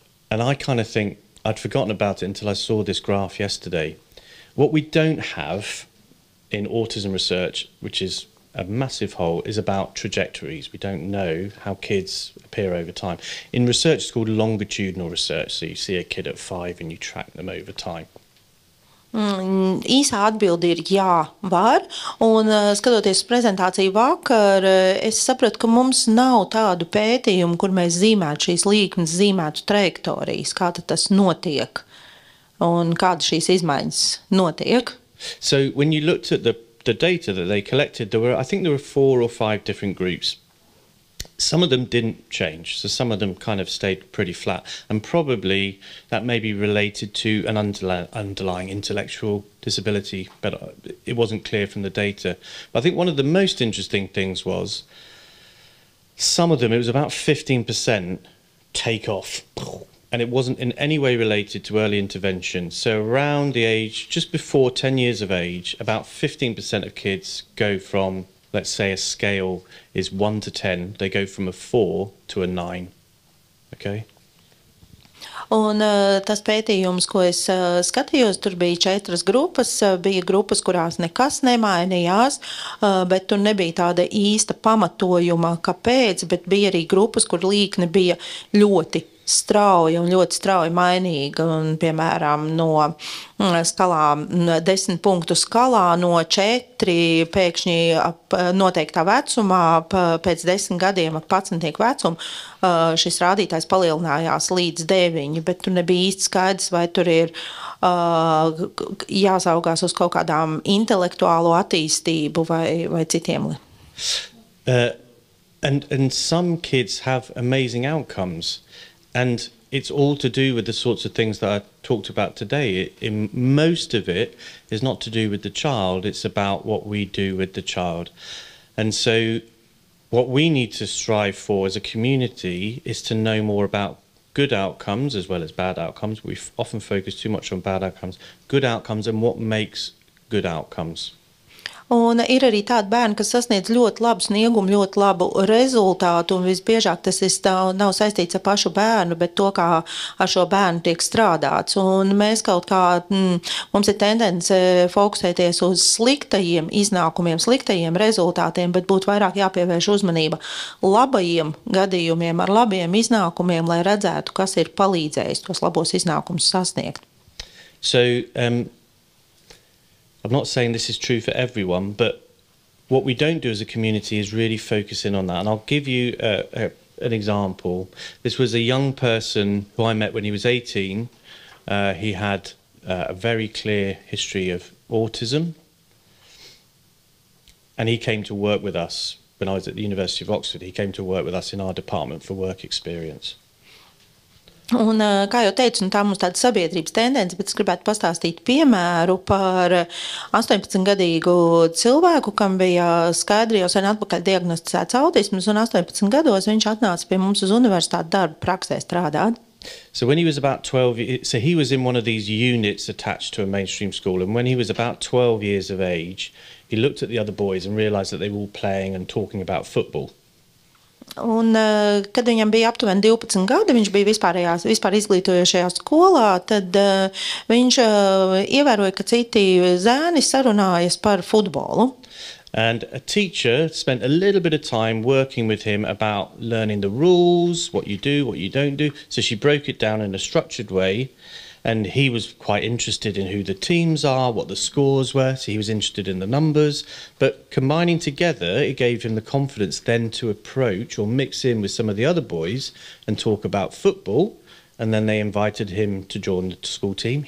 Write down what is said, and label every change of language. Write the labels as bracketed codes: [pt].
[en] And I kind of think I'd forgotten about it until I saw this graph yesterday. What we don't have in autism research, which is a massive hole, is about trajectories. We don't know how kids appear over time. In research, it's called longitudinal research. So you see a kid at 5 and you track them over time. [lv] Īsā atbilde ir jā, var, un skatoties prezentāciju vakar, es sapratu, ka mums nav tādu pētījumu, kur mēs zīmētu šīs līknes, zīmētu trajektorijas, kā tad tas notiek un kāda šīs izmaiņas notiek. [en] So when you looked at the data that they collected, there were 4 or 5 different groups. Some of them didn't change, so some of them kind of stayed pretty flat. And probably that may be related to an underlying intellectual disability, but it wasn't clear from the data. But I think one of the most interesting things was some of them, it was about 15% take off, and it wasn't in any way related to early intervention. So around the age, just before 10 years of age, about 15% of kids go from, let's say a scale is 1 to 10, they go from a 4 to a 9, okay? [lv] Un tas pētījums, ko es skatījos, tur bija 4 grupas, bija grupas, kurās nekas nemainījās, bet tur nebija tāda īsta pamatojuma, kāpēc, bet bija arī grupas, kur līkne bija ļoti strauja un ļoti strauja mainīga, un piemēram no skalā, 10 punktu skalā no 4 pēkšņi ap noteiktā vecumā pēc 10 gadiem ap 11 vecumu šis rādītājs palielinājās līdz 9, bet tur nebija īsti skaidrs, vai tur ir jāsaugās uz kaut kādām intelektuālo attīstību vai citiem. [en] And some kids have amazing outcomes. And it's all to do with the sorts of things that I talked about today. In most of it is not to do with the child, it's about what we do with the child. And so what we need to strive for as a community is to know more about good outcomes as well as bad outcomes. We often focus too much on bad outcomes. Good outcomes and what makes good outcomes. [lv] Un ir arī tādi bērni, kas sasniedz ļoti labu sniegumu, ļoti labu rezultātu, un visbiežāk tas nav saistīts ar pašu bērnu, bet to, kā ar šo bērnu tiek strādāts. Un mēs kaut kā, mums ir tendence fokusēties uz sliktajiem iznākumiem, sliktajiem rezultātiem, bet būtu vairāk jāpievērš uzmanība labajiem gadījumiem ar labiem iznākumiem, lai redzētu, kas ir palīdzējis tos labos iznākumus sasniegt. [en] So, I'm not saying this is true for everyone, but what we don't do as a community is really focus in on that. And I'll give you an example. This was a young person who I met when he was 18. He had a very clear history of autism. And he came to work with us when I was at the University of Oxford. He came to work with us in our department for work experience. [lv] Un, kā jau teicu, un tā mums tāda sabiedrības tendence, bet es gribētu pastāstīt piemēru par 18-gadīgu cilvēku, kam bija skaidri jau sen atpakaļ diagnosticēts autisms, un 18 gados viņš atnāca pie mums uz universitāti darba praksē strādāt. [en] So when he was about 12, so he was in one of these units attached to a mainstream school, and when he was about 12 years of age, he looked at the other boys and realized that they were all playing and talking about football. [lv] Un, kad viņam bija aptuveni 12 gadi, viņš bija vispār izglītojošajā skolā, tad viņš ievēroja, ka citi zēni sarunājas par futbolu. [en] And a teacher spent a little bit of time working with him about learning the rules, what you do, what you don't do. So she broke it down in a structured way, and he was quite interested in who the teams are, what the scores were, so he was interested in the numbers, but combining together, it gave him the confidence then to approach or mix in with some of the other boys and talk about football, and then they invited him to join the school team.